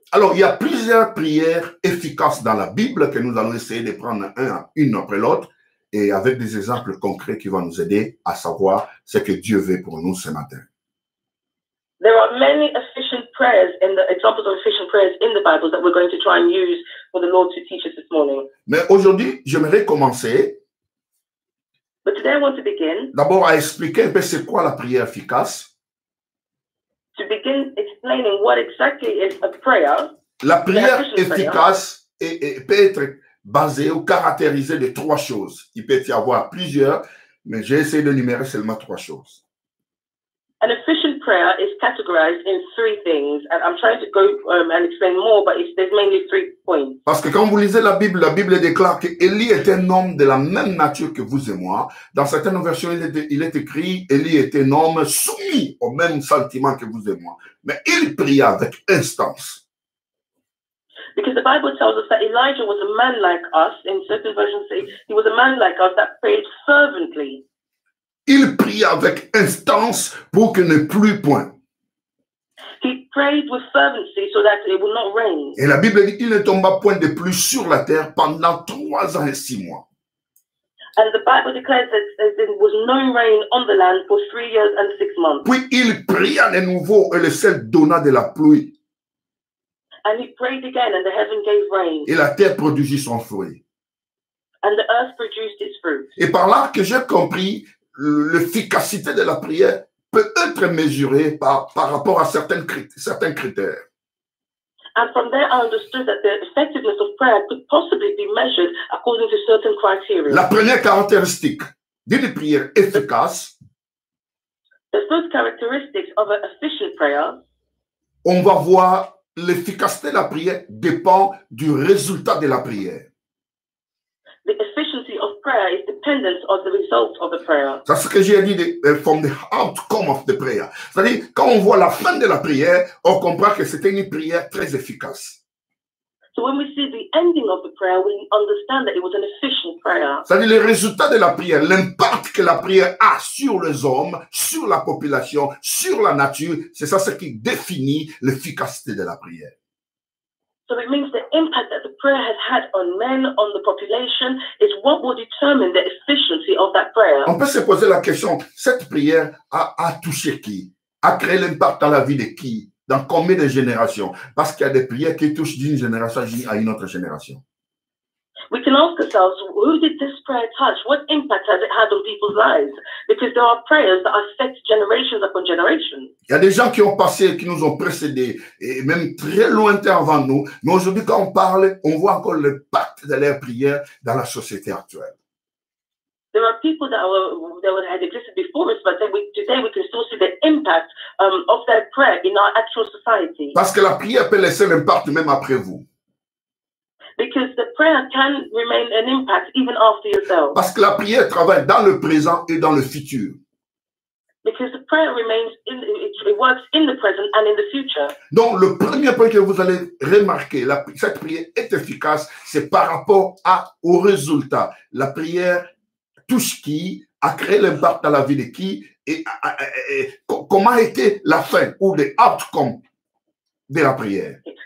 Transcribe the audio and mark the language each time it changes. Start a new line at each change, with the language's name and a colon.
French: Alors, il y a plusieurs prières efficaces dans la Bible que nous allons essayer de prendre une après l'autre et avec des exemples concrets qui vont nous aider à savoir ce que Dieu veut pour nous ce matin.
English: There are many efficient prayers in the examples of efficient prayers in the Bible that we're going to try and use for the Lord to teach us this morning.
French: Mais aujourd'hui, j'aimerais commencer.
English: But today I want to begin.
French: D'abord, à expliquer un peu c'est quoi la prière efficace.
English: To begin explaining what exactly is a prayer.
French: La prière efficace peut être basée ou caractérisée de trois choses. Il peut y avoir plusieurs, mais j'ai essayé d'énumérer seulement trois choses.
English: An efficient prayer is categorized in three things. And I'm trying to go and explain more, but there's mainly three points.
French: Parce que quand vous lisez la Bible déclare que Élie est un homme de la même nature que vous et moi. Dans certaines versions, il est écrit, Élie est un homme soumis au même sentiment que vous et moi. Mais il pria avec instance.
English: Because the Bible tells us that Elijah was a man like us. In certain versions, he was a man like us that prayed fervently.
French: Il prie avec instance pour qu'il ne pleuve point.
English: He prayed with fervency so that it will not rain.
French: Et la Bible dit qu'il ne tomba point de pluie sur la terre pendant 3 ans et 6 mois.
English: And the Bible declares that there was no rain on the land for 3 years and 6 months.
French: Puis il pria de nouveau et le ciel donna de la pluie.
English: And he prayed again and the heaven gave rain.
French: Et la terre produisit son fruit.
English: And the earth produced its fruit.
French: Et par là que j'ai compris, l'efficacité de la prière peut être mesurée par rapport à certains critères.
English: And from there, I understood that the effectiveness of prayer could possibly be measured according to certain criteria.
French: La première caractéristique d'une prière efficace.
English: The first characteristic of an efficient prayer.
French: On va voir l'efficacité de la prière dépend du résultat de la prière.
English: The efficiency of prayer is dependent on the result of the prayer.
French: C'est ce que j'ai dit
English: from the outcome of the prayer.
French: C'est-à-dire, quand on voit la fin de la prière, on comprend que c'était une prière très efficace.
English: So when we see the ending of the prayer, we understand that it was an efficient prayer.
French: C'est-à-dire, le résultat de la prière, l'impact que la prière a sur les hommes, sur la population, sur la nature, c'est ça ce qui définit l'efficacité de la prière.
English: So it means the impact that the prayer has had on men, on the population, is what will determine the efficiency of that prayer.
French: On peut se poser la question, cette prière a touché qui? A créé l'impact dans la vie de qui? Dans combien de générations? Parce qu'il y a des prières qui touchent d'une génération à une autre génération.
English: We can ask ourselves, who did this prayer touch? What impact has it had on people's lives? Because there are prayers that affect generations upon generations.
French: Il y a des gens qui ont passé, qui nous ont précédés, et même très lointains avant nous. Mais aujourd'hui, quand on parle, on voit encore l'impact de leurs prières dans la société actuelle.
English: There are people that had existed before us, but today we can still see the impact of their prayer in our actual society.
French: Parce que la prière peut laisser l'impact même après vous.
English: Because the prayer can remain an impact even after yourself.
French: Parce que la prière travaille dans le présent et dans le futur.
English: Because the prayer remains in it works in the present and in the future.
French: Donc le premier point que vous allez remarquer, cette prière est efficace, c'est par rapport au résultat. La prière touche qui, a créé l'impact dans la vie de qui et comment a été la fin ou les outcomes de la prière.